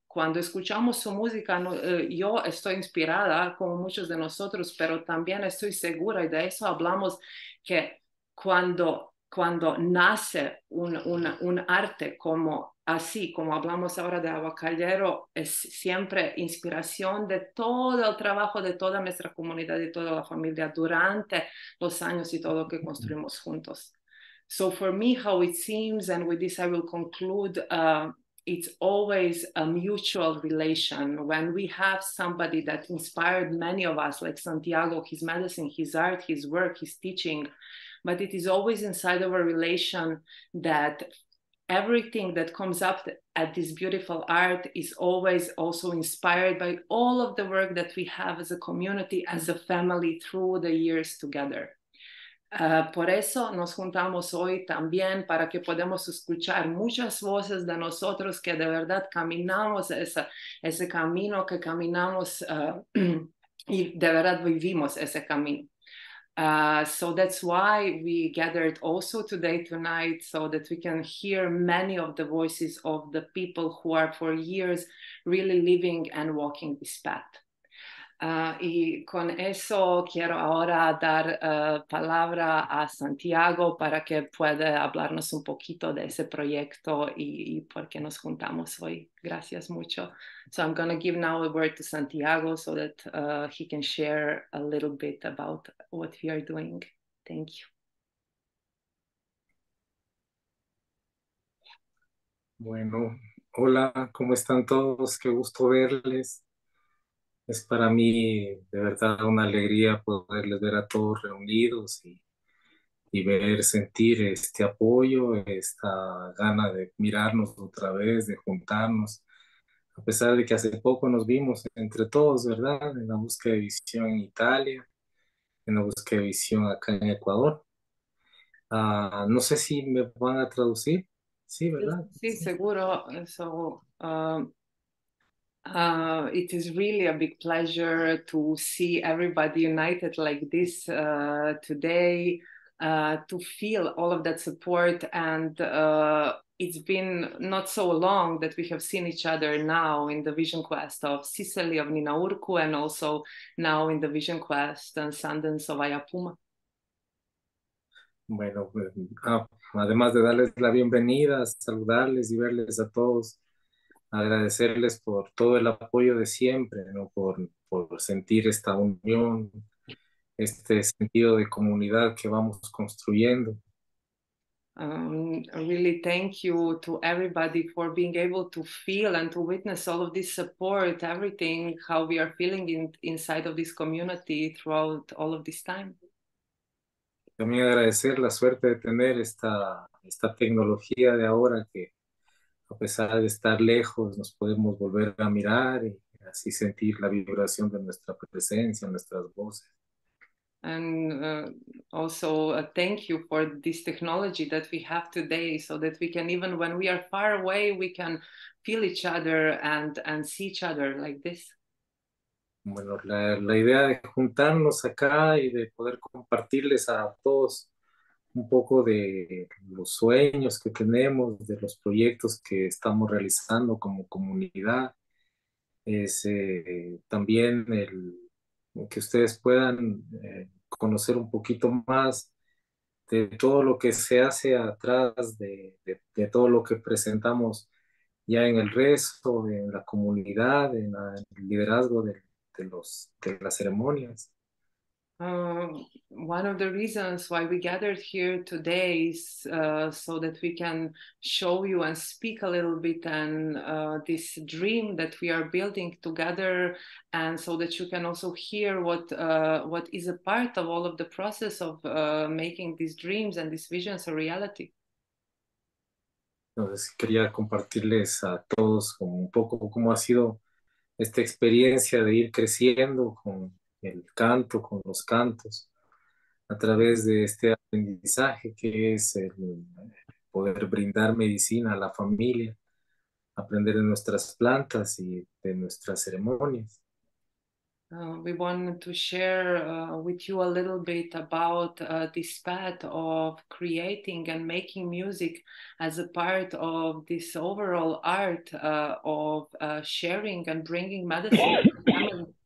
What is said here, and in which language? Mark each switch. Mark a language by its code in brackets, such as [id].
[es] Cuando escuchamos su música, no, yo estoy inspirada, como muchos de nosotros, pero también estoy segura, y de eso hablamos, que cuando nace un arte como así, como hablamos ahora de Awakollero, es siempre inspiración de todo el trabajo de toda nuestra comunidad y toda la familia durante los años y todo lo que construimos juntos. [en] So for me, how it seems, and with this I will conclude, it's always a mutual relation. When we have somebody that inspired many of us, like Santiago, his medicine, his art, his work, his teaching, but it is always inside of a relation that everything that comes up at this beautiful art is always also inspired by all of the work that we have as a community, as a family through the years together. [es] Por eso nos juntamos hoy también, para que podamos escuchar muchas voces de nosotros que de verdad caminamos ese camino, que caminamos y de verdad vivimos ese camino. [en] So that's why we gathered also today, tonight, so that we can hear many of the voices of the people who are for years really living and walking this path. [es] Y con eso quiero ahora dar palabra a Santiago para que pueda hablarnos un poquito de ese proyecto y por qué nos juntamos hoy. Gracias mucho. [en] So I'm going to give now a word to Santiago so that he can share a little bit about what we are doing. Thank you. [es] Bueno, hola, ¿cómo están todos? Qué gusto verles. Es para mí de verdad una alegría poderles ver a todos reunidos y ver, sentir este apoyo, esta gana de mirarnos otra vez, de juntarnos, a pesar de que hace poco nos vimos entre todos, ¿verdad? En la búsqueda de visión en Italia, en la búsqueda de visión acá en Ecuador. No sé si me van a traducir, ¿sí, verdad? Sí, sí. Seguro. [en] So, it is really a big pleasure to see everybody united like this today, to feel all of that support. And it's been not so long that we have seen each other now in the vision quest of Sicily, of Nina Urku, and also now in the vision quest and Sundance of Ayapuma. [es] Bueno, además de darles la bienvenida, saludarles y verles a todos, agradecerles por todo el apoyo de siempre, ¿no? Por sentir esta unión, este sentido de comunidad que vamos construyendo. [en] Really thank you to everybody for being able to feel and to witness all of this support, everything, how we are feeling inside of this community throughout all of this time. [es] También agradecer la suerte de tener esta tecnología de ahora que, a pesar de estar lejos, nos podemos volver a mirar y así sentir la vibración de nuestra presencia, nuestras voces. [en] And also thank you for this technology that we have today, so that we can, even when we are far away, we can feel each other and see each other like this. [es] Bueno, la idea de juntarnos acá y de poder compartirles a todos un poco de los sueños que tenemos, de los proyectos que estamos realizando como comunidad, es también el que ustedes puedan conocer un poquito más de todo lo que se hace atrás de todo lo que presentamos ya en el rezo, en la comunidad, en el liderazgo de las ceremonias. [en] One of the reasons why we gathered here today is so that we can show you and speak a little bit and this dream that we are building together, and so that you can also hear what is a part of all of the process of making these dreams and these visions a reality. [es] Entonces, quería compartirles a todos como un poco cómo ha sido esta experiencia de ir creciendo con el canto, con los cantos, a través de este aprendizaje que es el poder brindar medicina a la familia, aprender de nuestras plantas y de nuestras ceremonias. [en] We wanted to share with you a little bit about this path of creating and making music as a part of this overall art of sharing and bringing medicine to the family.